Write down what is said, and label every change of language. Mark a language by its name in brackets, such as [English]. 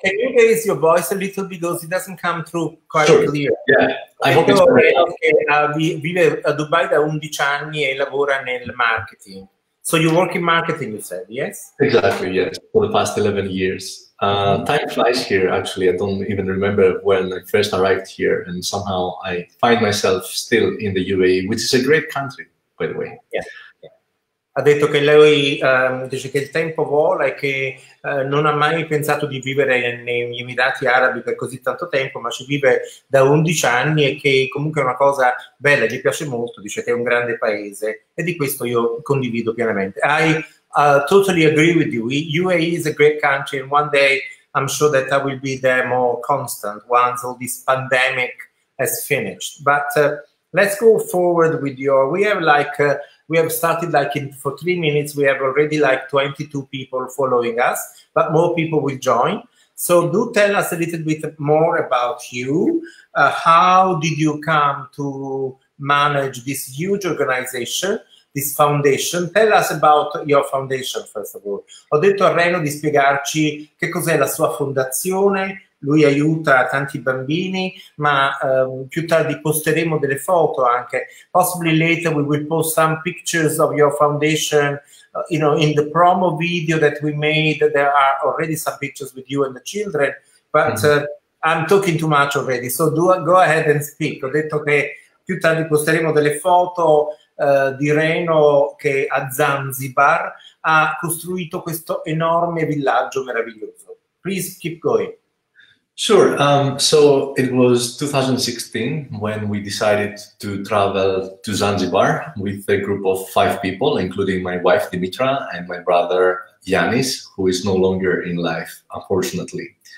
[English] you raise your voice a little because it doesn't come through quite Sure. clear? I [Italian] Ho [English] hope it's [Italian] detto [English] better [Italian] Renos che vive a Dubai da 11 anni e lavora nel marketing. [English] So you work in marketing, you said, yes? now. Exactly, yes, for the past 11 years. Time flies here, actually. I don't even remember when I first arrived here, and somehow I find myself still in the UAE, which is a great country, by the way. [Italian] Ha detto che lui dice che il tempo vola e che non ha mai pensato di vivere negli Emirati Arabi per così tanto tempo, ma ci vive da 11 anni e che comunque è una cosa bella, gli piace molto, dice che è un grande paese e di questo io condivido pienamente. [English] I totally agree with you. UAE is a great country and one day I'm sure that I will be there more constant once all this pandemic has finished. But let's go forward with your, we have like a, We have started like in for 3 minutes. We have already like 22 people following us, but more people will join. So do tell us a little bit more about you. How did you come to manage this huge organization, this foundation? Tell us about your foundation, first of all. [Italian] Ho detto a Reno di spiegarci che cos'è la sua fondazione. Lui aiuta tanti bambini, ma più tardi posteremo delle foto anche. [English] Possibly later we will post some pictures of your foundation, in the promo video that we made. There are already some pictures with you and the children, but I'm talking too much already, so go ahead and speak. [Italian] Ho detto che più tardi posteremo delle foto di Reno che a Zanzibar ha costruito questo enorme villaggio meraviglioso. [English] Please keep going. Sure. So it was 2016 when we decided to travel to Zanzibar with a group of five people, including my wife Dimitra and my brother Yanis, who is no longer in life, unfortunately.